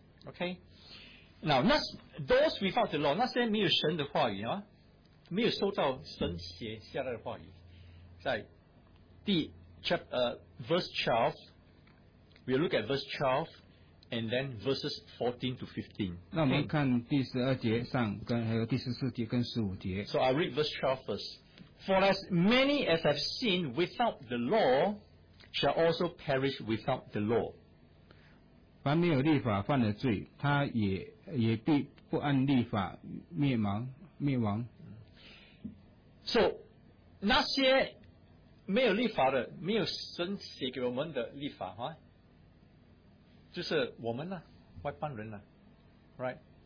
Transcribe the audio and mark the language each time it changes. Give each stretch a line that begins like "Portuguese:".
English: OK Now, those without the law,
Chinese: 那些没有神的话语、啊、没有收到神写下来的话语，在第
English: verse 12, we look at verse 12 and then verses 14 to 15.
Chinese: 那我们看第十二节上跟还有第十四节跟十五节。
English: So I read verse 12 first. For as many as have sinned without the law shall also perish without the law.
Chinese: 凡没有律法犯了罪，他也必不按律法灭亡。 So, 那些没有律法的，没有神写给我们的律法、啊、就是我们呢、啊，外邦人呢、啊、，right?